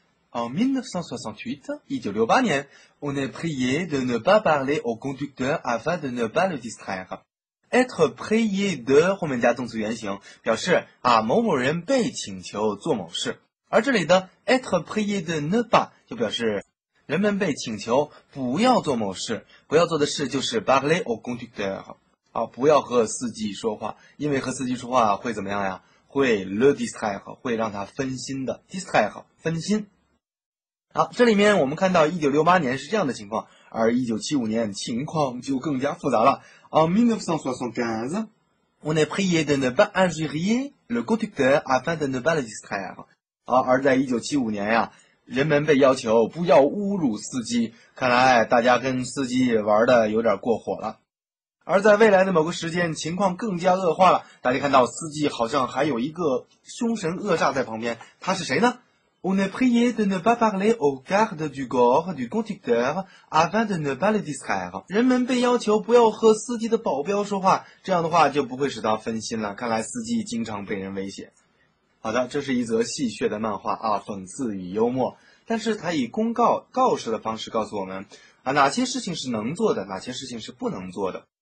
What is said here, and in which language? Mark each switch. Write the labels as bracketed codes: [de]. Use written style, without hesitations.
[fr] En 1968 [zh] 1968年 [fr] on est prié de ne pas parler au conducteur afin de ne pas le distraireÊtre prié de [zh] 后面加动词原形，表示啊某某人被请求做某事，而这里的 [fr] Ètre prié de ne pas [zh] 就表示人们被请求不要做某事，不要做的事就是 [fr] parler au conducteur [zh] 啊，不要和司机说话，因为和司机说话会怎么样呀？会 [fr] le distraire， [zh] 会让他分心的 distraire 分心。好，这里面我们看到1968年是这样的情况，而1975年情况就更加复杂了。 [fr] En 1975, on est prié de ne pas injurier le conducteur afin de ne pas le distraire. [zh] 好，而在1975年呀，人们被要求不要侮辱司机，看来大家跟司机玩的有点过火了。而在未来的某个时间，情况更加恶化了，大家看到司机好像还有一个凶神恶煞在旁边，他是谁呢？ [fr] On est prié de ne pas parler au garde du corps du conducteur afin de ne pas le distraire. [zh] 人们被要求不要和司机的保镖说话，这样的话就不会使他分心了。看来司机经常被人威胁。好的，这是一则戏谑的漫画啊，讽刺与幽默。但是他以公告告示的方式告诉我们啊，哪些事情是能做的，哪些事情是不能做的。